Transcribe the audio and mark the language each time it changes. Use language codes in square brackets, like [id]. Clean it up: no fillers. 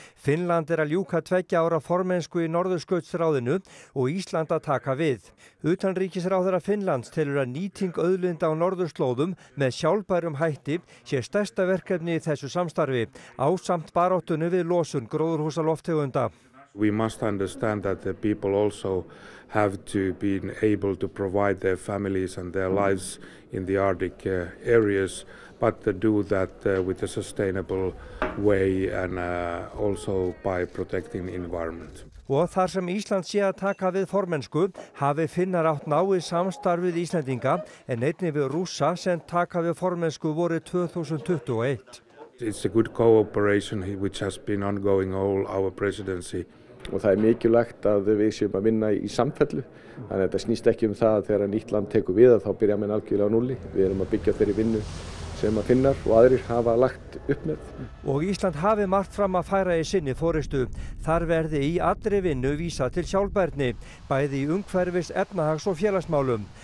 [is] Finnland að ljúka 2 ára formennsku í norðurskautsráðinu og Ísland að taka við. Utanríkisráðherra Finnlands telur að nýting auðlinda á norðurslóðum með sjálfbærum hætti sé stærsta verkefni í þessu samstarfi ásamt baráttunni við losun gróðurhúsalofttegunda. [en] We must understand that the people also have to be able to provide their families and their lives in the Arctic areas, but to do that with a sustainable way and also by protecting the environment. [is] Og þar sem Ísland sé að taka við formennsku, hafi Finnar átt náið samstarf við Íslendinga, en einnig við Rússa sem taka við formennsku voru 2021. [en] It's a good cooperation which has been ongoing all our presidency. [is] Og það mikilvægt að við séum að vinna í samfellu. Þannig að þetta snýst ekki það að þegar nýtt land tekur við að þá byrja menn algjörlega á núlli. Við erum að byggja þeirri vinnu sem að Finnar og aðrir hafa lagt upp með. Og Ísland hafi margt fram að færa í sinni forystu. Þar verði í allri vinnu vísa til sjálfbærni, bæði í umhverfis, efnahags og félagsmálum.